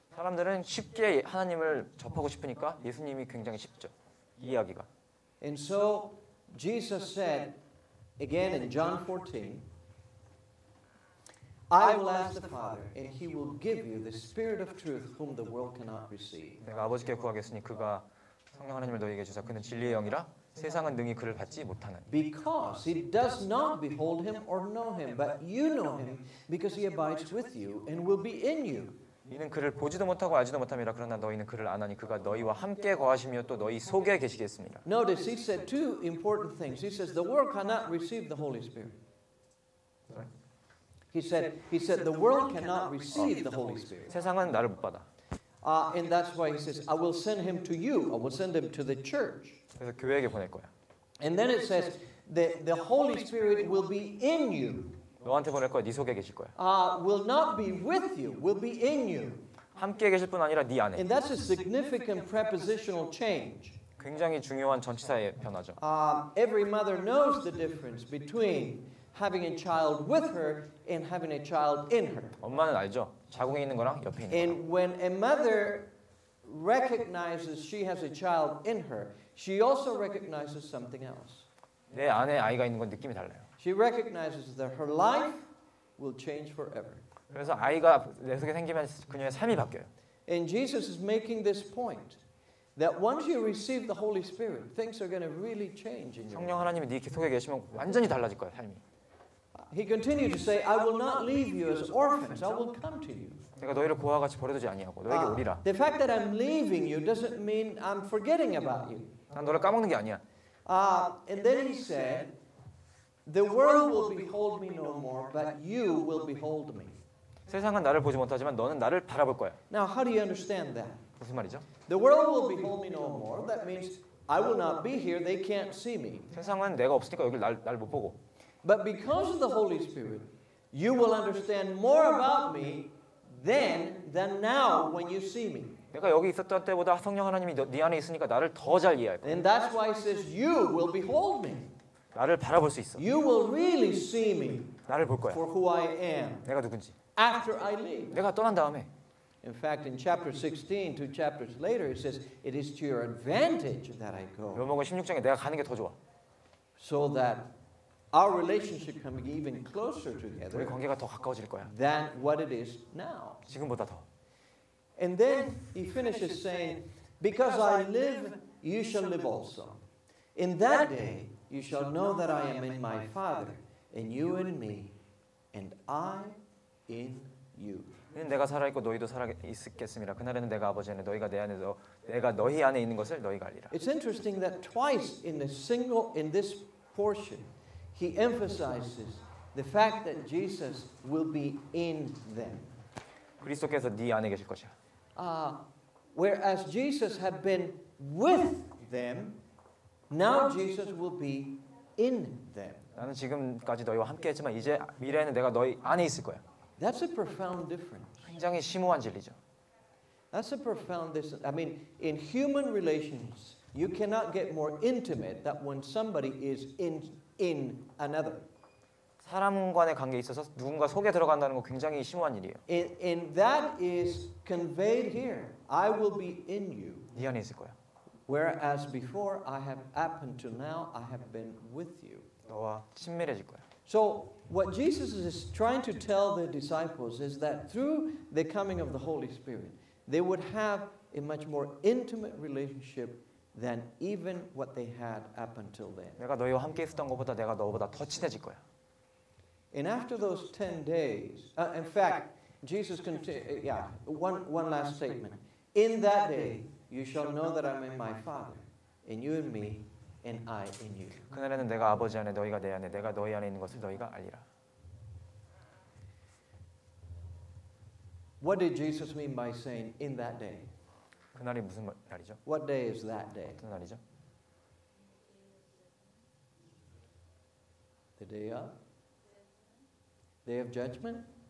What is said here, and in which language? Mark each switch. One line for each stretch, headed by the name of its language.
Korean: 사람들은 쉽게 하나님을 접하고 싶으니까 예수님이 굉장히 쉽죠. 이해하기가.
English: And so Jesus said again in John 14, I will ask the Father and he will give you the spirit of truth whom the world cannot receive.
Korean: 내가 아버지께 구하겠으니 그가 성령 하나님을 너희에게 주사 그는 진리의 영이라 세상은 능히 그를 받지 못하는.
English: Because he does not behold him or know him, but you know him because he abides with you and will be in you.
Korean: 이는 그를 보지도 못하고 알지도 못함이라 그러나 너희는 그를 아나니 그가 너희와 함께 거하시며 또 너희 속에 계시겠습니다.
English: Notice he said two important things. He says the world cannot receive the Holy Spirit. He said the world cannot receive the Holy Spirit.
Korean: 세상은 나를 못 받아.
English: And that's why he says I will send him to you. I will send him to the church.
Korean: 그래서 교회에게 보낼 거야.
English: And then it says that the Holy Spirit will be in you.
Korean: 너한테 보낼 거야. 네 속에 계실 거야.
English: Will not be with you. Will be in you.
Korean: 함께 계실 뿐 아니라 네 안에.
English: And that's a significant prepositional change.
Korean: 굉장히 중요한 전치사의 변화죠.
English: Every mother knows the difference between having a child with her and having a child in her.
Korean: 엄마는 알죠. 자궁에 있는 거랑 옆에 있는 거랑.
English: And when a mother recognizes she has a child in her, she also recognizes something else.
Korean: 내 안에 아이가 있는 건 느낌이 달라요.
English: She recognizes that her life will change forever.
Korean: 그래서 아이가 내 속에 생기면 그녀의 삶이 바뀌어요.
English: And Jesus is making this point that once you receive the Holy Spirit, things are going to really change in you.
Korean: 성령 하나님이 네 속에 계시면 완전히 달라질 거야, 삶이.
English: He continued to say, I will not leave you as orphans. I will come to you.
Korean: 내가 너희를 고아 같이 버려두지 아니하고 너에게 오리라.
English: The fact that I'm leaving you doesn't mean I'm forgetting about you.
Korean: 난 너를 까먹는 게 아니야.
English: And then he said, The world will behold me no more, but you will behold me.
Korean: 세상은 나를 보지 못하지만 너는 나를 바라볼 거야.
English: Now, how do you understand that?
Korean: 무슨 말이죠?
English: The world will behold me no more. That means I will not be here. They can't see me.
Korean: 세상은 내가 없으니까 여기 날 못 보고.
English: But because of the Holy Spirit, you will understand more about me than now when you see me.
Korean: 내가 여기 있었던 때보다 성령 하나님이 네 안에 있으니까 나를 더 잘 이해할 거야.
English: And that's why it says you will behold me.
Korean: 나를 바라볼 수 있어.
English: You will really see me.
Korean: 나를 볼 거야.
English: For who I am.
Korean: 내가 누군지.
English: After I leave.
Korean: 내가 떠난 다음에.
English: In fact, in chapter 16, two chapters later, it says, "It is to your advantage that I go."
Korean: 요한복음 16장에 내가 가는 게 더 좋아.
English: So that our relationship can be even closer together.
Korean: 우리 관계가 더 가까워질 거야.
English: Than what it is now.
Korean: 지금보다 더.
English: And then he finishes saying, "Because I live, you shall live also." In that day. You shall know that I am in my Father, and you in me, and I in
Korean: You는 내가 살아 있고 너희도 살아 있겠음이라 그날에는 내가 아버지니 너희가 내 안에서 내가 너희 안에 있는 것을 너희가 알리라.
English: It's interesting that twice in a single in this portion he emphasizes the fact that Jesus will be in them.
Korean: 그리스도께서 네 안에 계실 것이야.
English: Whereas Jesus had been with them, now Jesus will be in them.
Korean: 나는 지금까지 너희와 함께 했지만 이제 미래에는 내가 너희 안에 있을 거야.
English: That's a profound difference.
Korean: 굉장히 심오한 진리죠.
English: That's a profound difference. I mean, in human relations, you cannot get more intimate than when somebody is in another.
Korean: 사람 간의 관계에 있어서 누군가 속에 들어간다는 거 굉장히 심오한 일이에요.
English: And that is conveyed here. I will be in you.
Korean: 네 안에 있을 거야.
English: Whereas before, I have up until now, I have been with you.
Korean: 너와 친밀해질 거야.
English: So what Jesus is trying to tell the disciples is that through the coming of the Holy Spirit, they would have a much more intimate relationship than even what they had up until then.
Korean: 내가 너희와 함께 있었던 것보다 내가 너보다 더 친해질 거야.
English: And after those 10 days, in fact, Jesus continued, one last statement. In that day, you shall know that I'm in my Father, and you in me, and I in you.
Korean: 그날에는 내가 아버지 안에, 너희가 내 안에, 내가 너희 안에 있는 것을 너희가 알리라.
English: What did Jesus mean by saying in that day?
Korean: 그날이 무슨 날이죠?
English: What day is that day?
Korean: 어떤 날이죠?
English: The day of? Day of Judgment?